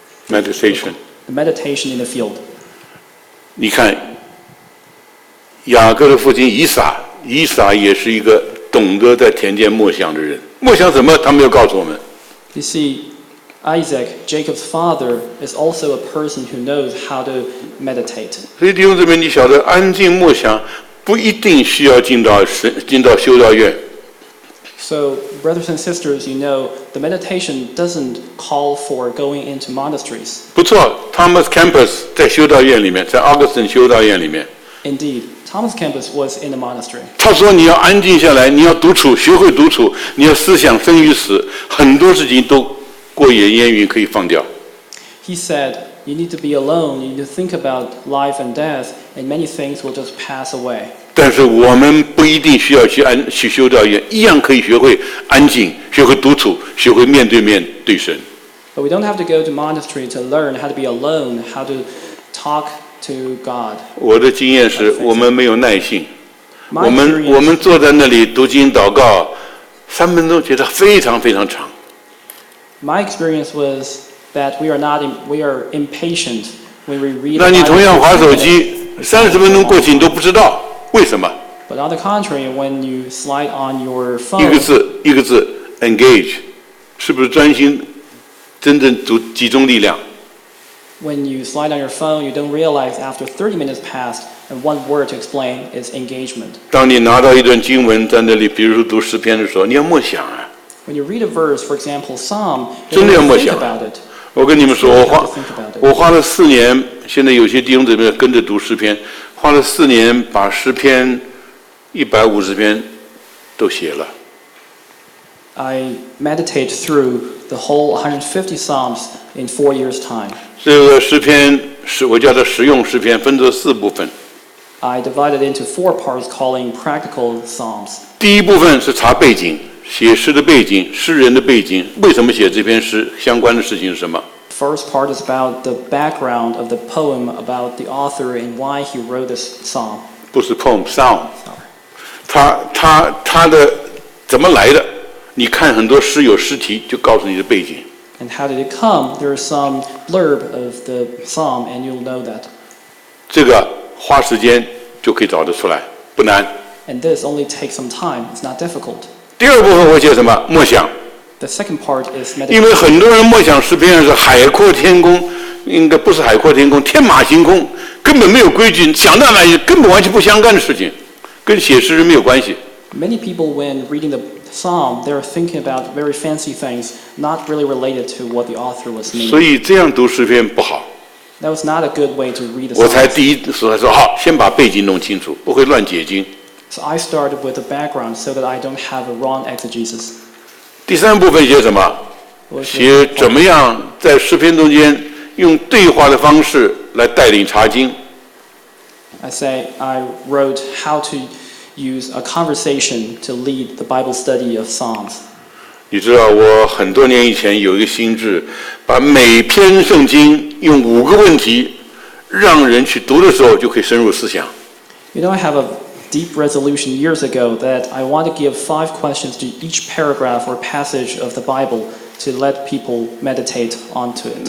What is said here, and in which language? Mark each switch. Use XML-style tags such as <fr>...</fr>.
<en>Meditation. meditation in the field.</en> <zh>你看，雅各的父亲以撒，以撒也是一个懂得在田间默想的人。默想什么？他没有告诉我们。</zh> <en>You see, Isaac, Jacob's father, is also a person who knows how to meditate.</en> <zh>所以弟兄姊妹，你晓得安静默想不一定需要进到修道院。</zh> <en>So, brothers and sisters, you know, the meditation doesn't call for going into monasteries.</en> <zh>不错 ,Thomas Kempis 在修道院里面，在 Augustine 修道院里面。</zh> <en>Indeed, Thomas Kempis was in a monastery.</en> <zh>他说你要安静下来，你要独处，学会独处，你要思想生与死，很多事情都过眼烟云可以放掉。</zh> <en>He said, you need to be alone, you need to think about life and death, and many things will just pass away.</en> <zh>但是我们不一定需要去修道院，一样可以学会安静，学会独处，学会面对面对神。</zh> <en>But we don't have to go to monastery to learn how to be alone, how to talk to God.</en> <zh>我的经验是我们没有耐性。我们坐在那里读经祷告，三分钟觉得非常非常长。</zh> <en>My experience was that we are impatient when we read.</en> <zh>那你同样滑手机，三十分钟过去你都不知道。为什么</zh> <en>？But on the contrary, when you slide on your phone,</en> <zh>一个字一个字 engage, 是不是专心，真正集中力量</zh> <en>？When you slide on your phone, you don't realize after 30 minutes passed, and one word to explain is engagement.</en> <zh>当你拿到一段经文在那里，比如说读诗篇的时候，你要默想啊。</zh> <en>When you read a verse, for example, Psalm,</en> <zh>真的要默想。我跟你们说，我花了四年，现在有些弟兄姊妹跟着读诗篇。花了四年把诗篇150篇都写了。</zh> <en>I meditate through the whole 150 psalms in 4 years time.</en> <zh>这个诗篇是我叫它实用诗篇，分作四部分。</zh> <en>I divided into 4 parts, calling practical psalms.</en> <zh>第一部分是查背景，写诗的背景，诗人的背景，为什么写这篇诗，相关的事情是什么。</zh> <en>First part is about the background of the poem, about the author and why he wrote this psalm.</en> <zh>不是</zh> <en>poem, psalm.</en> <zh>他的怎么来的？你看很多诗有诗题，就告诉你的背景。</zh> <en>And how did it come? There is some blurb of the psalm, and you'll know that.</en> <zh>这个花时间就可以找得出来，不难。</zh> <en>And this only takes some time. It's not difficult.</en> <zh>第二部分我写什么？默想。</zh> <en>The second part is meditation.</en> <zh>因为很多人默想诗篇是海阔天空，应该不是海阔天空，天马行空，根本没有规矩，想到哪里根本完全不相干的事情，跟写诗人没有关系。</zh> <en>Many people when reading the psalm, they are thinking about very fancy things, not really related to what the author was meaning.</en> <zh>所以这样读诗篇不好。</zh> <en>That was not a good way to read the</en> <zh>psalm. 我才第一次才说好，先把背景弄清楚，不会乱解经。</zh> <en>So I started with the background so that I don't have a wrong exegesis.</en> <zh>第三部分写什么？写怎么样在诗篇中间用对话的方式来带领查经。</zh> <en>I say I wrote how to use a conversation to lead the Bible study of Psalms.</en> <zh>你知道我很多年以前有一个心智，把每篇圣经用5个问题，让人去读的时候就可以深入思想。</zh> <en>You know I have a deep resolution years ago that I want to give 5 questions to each paragraph or passage of the Bible to let people meditate onto it.</en>